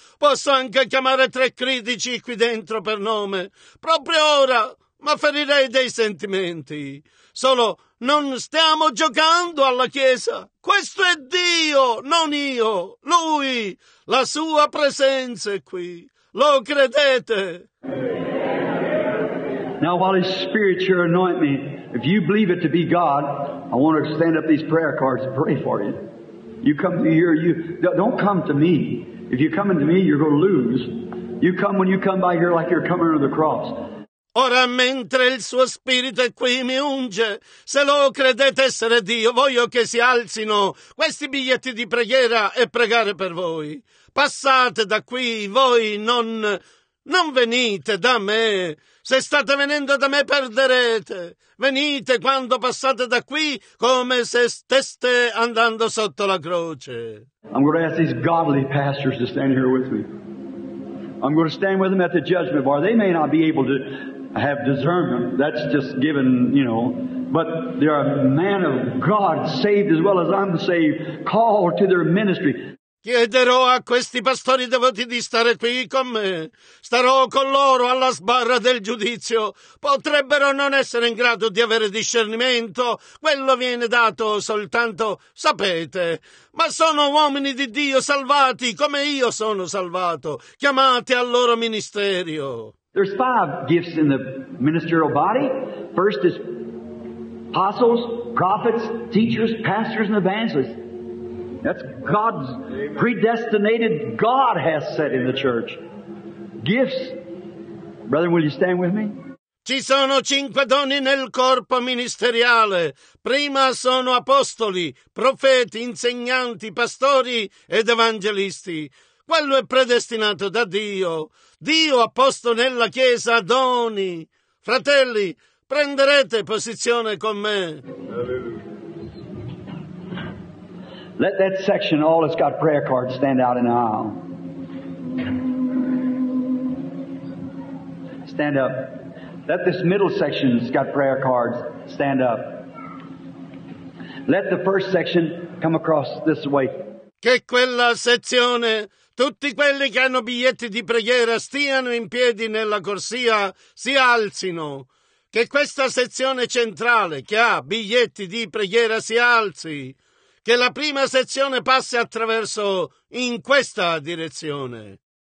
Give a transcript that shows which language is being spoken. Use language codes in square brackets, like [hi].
[it] Posso anche chiamare tre critici qui dentro per nome. Proprio ora, ma ferirei dei sentimenti. Solo non stiamo giocando alla Chiesa. Questo è Dio, non io. Lui, la sua presenza è qui. Lo credete? [en] Now, while His Spirit here anoint me, if you believe it to be God, I want to stand up these prayer cards and pray for you. You come to here, you don't come to me. If you come into me, you're going to lose. You come when you come by here like you're coming under the cross. [it] Ora, mentre il suo spirito è qui, mi unge. Se lo credete essere Dio, voglio che si alzino questi biglietti di preghiera e pregare per voi. Passate da qui, voi non venite da me. Se state venendo da me, perderete. Venite quando passate da qui, come se steste andando sotto la croce. [en] I'm going to ask these godly pastors to stand here with me. I'm going to stand with them at the judgment bar. They may not be able to have discernment. That's just given, you know. But there are men of God saved as well as I'm saved, called to their ministry. [it] Chiederò a questi pastori devoti di stare qui con me. Starò con loro alla sbarra del giudizio. Potrebbero non essere in grado di avere discernimento. Quello viene dato soltanto, sapete. Ma sono uomini di Dio salvati, come io sono salvato. Chiamati al loro ministerio. [en] There's five gifts in the ministerial body. First is apostles, prophets, teachers, pastors, and evangelists. That's God's predestinated, God has set in the church. Gifts. Brother, will you stand with me? [it] Ci sono cinque doni nel corpo ministeriale. Prima sono apostoli, profeti, insegnanti, pastori ed evangelisti. Quello è predestinato da Dio. Dio ha posto nella Chiesa doni. Fratelli, prenderete posizione con me. [en] Let that section, all that's got prayer cards, stand out in the aisle. Stand up. Let this middle section that's got prayer cards, stand up. Let the first section come across this way. [it] Che quella sezione, tutti quelli che hanno biglietti di preghiera stiano in piedi nella corsia, si alzino. Che questa sezione centrale che ha biglietti di preghiera si alzi. Che la prima sezione passi attraverso in questa direzione.